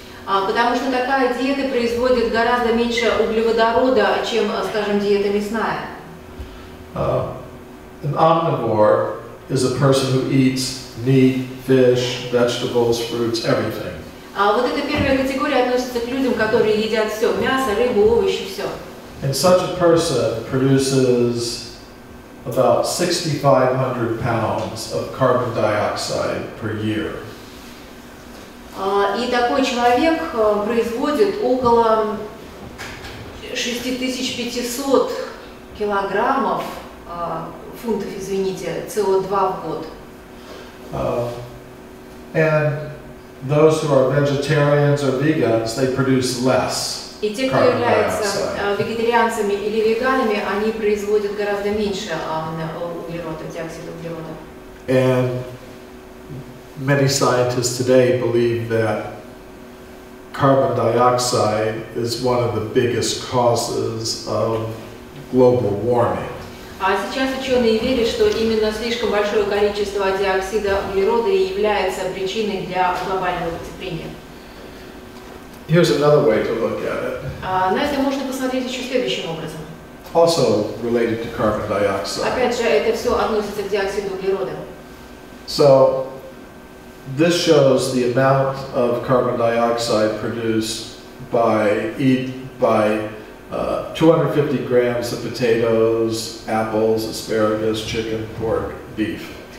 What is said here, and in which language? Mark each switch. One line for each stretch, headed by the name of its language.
Russian: Потому что такая диета производит гораздо меньше углеводорода, чем, скажем, диета мясная.
English: An omnivore is a person who eats meat, fish, vegetables, fruits, everything.
Russian: Вот эта первая категория относится к людям, которые едят все: мясо, рыбу, овощи, все.
English: And such a person produces about 6,500 pounds of carbon dioxide per year.
Russian: И такой человек производит около 6500 килограммов фунтов, извините, CO2 в год.
English: And those who are vegetarians or vegans, they produce less.
Russian: И те, кто является вегетарианцами или веганами, они производят гораздо меньше углерода, диоксида углерода.
English: And many scientists today believe that carbon dioxide is one of the biggest causes of global warming.
Russian: А сейчас ученые верят, что именно слишком большое количество диоксида углерода и является причиной для глобального потепления.
English: Here's another way to look at it.
Russian: На это можно посмотреть еще следующим образом.
English: Also related to carbon dioxide.
Russian: Опять же, это все относится к диоксиду углерода.
English: So this shows the amount of carbon dioxide produced by 250 grams of potatoes, apples, asparagus, chicken, pork, beef.